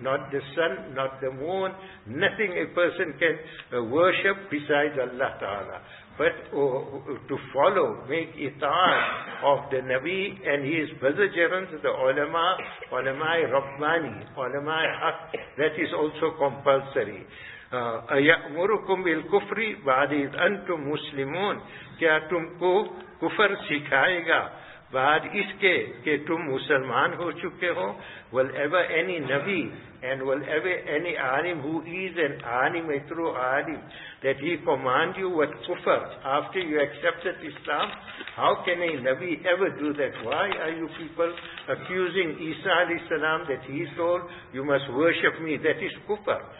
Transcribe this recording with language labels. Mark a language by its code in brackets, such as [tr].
[en] not the sun, not the moon, nothing a person can worship besides Allah Ta'ala. But to follow, make ita'at of the Nabi and his vicegerents, the ulama, ulama-i Rabbani, ulama-i Haq, that is also compulsory. [ar] أَيَأْمُرُكُمْ بِالْكُفْرِ بَعْدِ إِذْ أَنْتُمْ مُسْلِمُونَ [ur] کیا تم کو کفر سکھائے گا بعد اس کے کہ تم مسلمان ہو چکے ہو. [en] Will ever any Nabi and will ever any alim who is an alim, a true alim, that he command you with kufr after you accepted Islam, how can a Nabi ever do that? Why are you people accusing Isa alayhi salam that he told you must worship me? That is kufr.